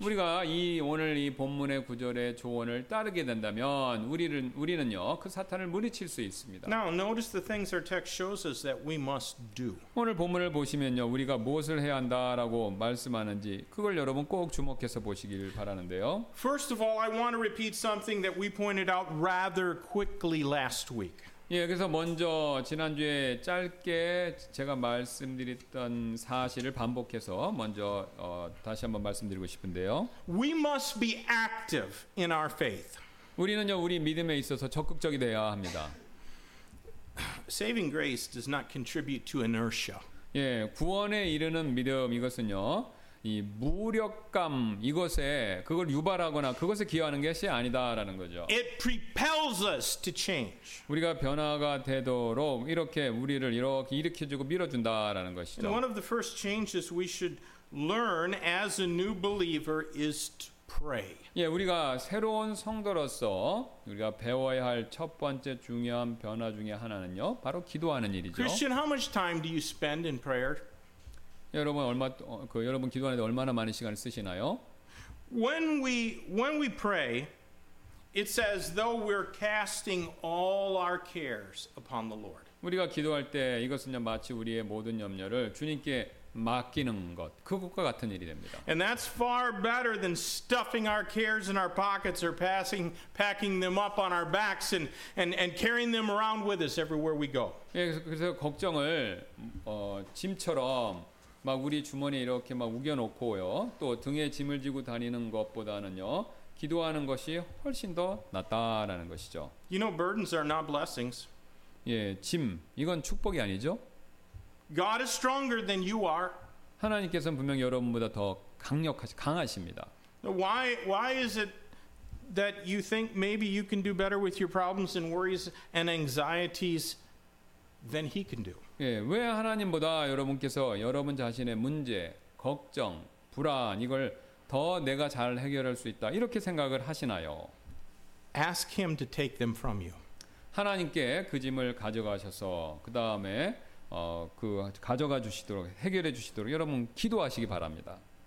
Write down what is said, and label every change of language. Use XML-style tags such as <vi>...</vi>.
<ko>우리가 이 오늘 이 본문의 구절의 조언을 따르게 된다면 우리는요 그 사탄을 무리칠 수 있습니다.</ko> <en>Now notice the things our text shows us that we must do.</en> <ko>오늘 본문을 보시면요 우리가 무엇을 해야 한다라고 말씀하는지 그걸 여러분 꼭 주목해서 보시길 바라는데요.</ko> <en>First of all, I want to repeat something that we pointed out rather quickly last week.</en> <ko>예, 그래서 먼저 지난주에 짧게 제가 말씀드렸던 사실을 반복해서 먼저 다시 한번 말씀드리고 싶은데요.</ko> <en>We must be active in our faith.</en> <ko>우리는요, 우리 믿음에 있어서 적극적이 되어야 합니다.</ko> <en>Saving grace does not contribute to inertia.</en> <ko>예, 구원에 이르는 믿음 이것은요. 이 무력감 이것에 그걸 유발하거나 그것에 기여하는 것이 아니다라는 거죠.</ko> <en>It propels us to change.</en> <ko>우리가 변화가 되도록 이렇게 우리를 이렇게 일으켜주고 밀어준다라는 것이죠.</ko> <en>And one of the first changes we should learn as a new believer is to pray.</en> <ko>예, 우리가 새로운 성도로서 우리가 배워야 할 첫 번째 중요한 변화 중에 하나는요, 바로 기도하는 일이죠.</ko> <en>Christian, how much time do you spend in prayer?</en> <ko>여러분 여러분 기도하는데 얼마나 많은 시간을 쓰시나요?</ko> <en>When we pray, it says though we're casting all our cares upon the Lord.</en> <ko>우리가 기도할 때 이것은요 마치 우리의 모든 염려를 주님께 맡기는 것 그것과 같은 일이 됩니다.</ko> <en>And that's far better than stuffing our cares in our pockets or packing them up on our backs and carrying them around with us everywhere we go.</en> <ko>예, 그래서 걱정을 짐처럼 막 우리 주머니에 이렇게 막 우겨놓고요. 또 등에 짐을 지고 다니는 것보다는요. 기도하는 것이 훨씬 더 낫다라는 것이죠.</ko> <en>You know, burdens are not blessings.</en> <ko>예, 짐. 이건 축복이 아니죠.</ko> <en>God is stronger than you are.</en> <ko>하나님께서는 분명 여러분보다 더 강하십니다.</ko> <en>Why is it that you think maybe you can do better with your problems and worries and anxieties than he can do?</en> <ko>예, 왜 하나님보다 여러분께서 여러분 자신의 문제, 걱정, 불안 이걸 더 내가 잘 해결할 수 있다 이렇게 생각을 하시나요?</ko> <en>Ask him to take them from you.</en> <ko>하나님께 그 짐을 가져가셔서 그 다음에 그 가져가 주시도록 해결해 주시도록 여러분 기도하시기 바랍니다.</ko>